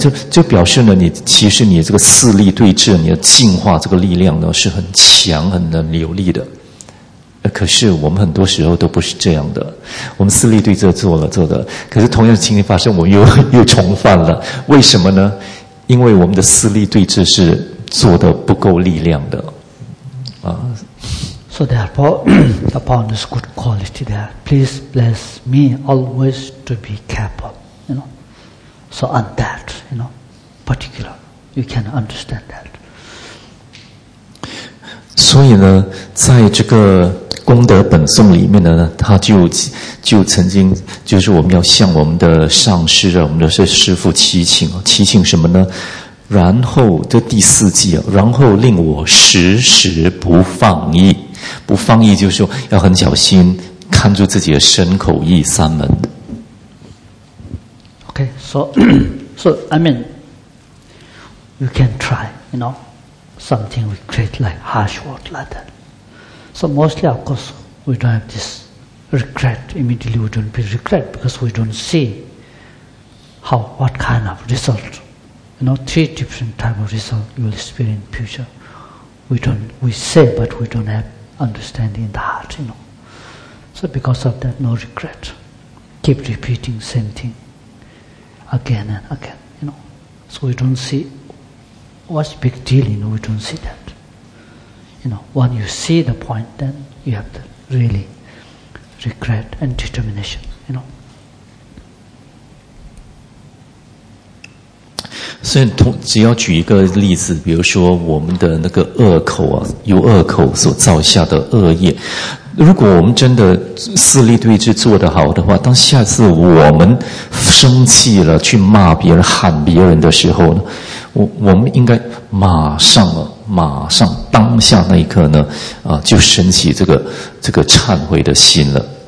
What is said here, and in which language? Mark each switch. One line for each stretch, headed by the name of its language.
Chinese: 就表示呢，你其实你这个四力对峙，你的净化这个力量呢是很强、很能有力的。可是我们很多时候都不是这样的，我们四力对峙做的，可是同样的情形发生，我们又重犯了。为什么呢？因为我们的四力对峙是做的不够力量的，啊。
English: So therefore, upon this good quality there, please bless me always to be careful, you know. So on that, you know, particular, you can understand that.
Chinese: 所以呢，在这个功德本颂里面呢，他就曾经，就是我们要向我们的上师啊，我们的师父祈请什么呢？然后这第四句啊，然后令我时时不放逸。不放逸就是说要很小心看住自己的身口意三门。
English: OK, so I mean you can try, you know, something we create like harsh word like that. So mostly of course we don't have this regret, immediately we don't be regret because we don't see how, what kind of result, you know, three different type of result you will experience in future. We say but we don't haveUnderstanding in the heart, you know. So because of that, no regret. Keep repeating same thing again and again, you know. So we don't see what's big deal, you know, we don't see that. You know, when you see the point, then you have the really regret and determination, you know.
Chinese: 所以只要举一个例子，比如说我们的那个恶口啊，由恶口所造下的恶业，如果我们真的四力对峙做得好的话，当下次我们生气了去骂别人喊别人的时候呢，我们应该马上当下那一刻呢啊，就升起这个忏悔的心了。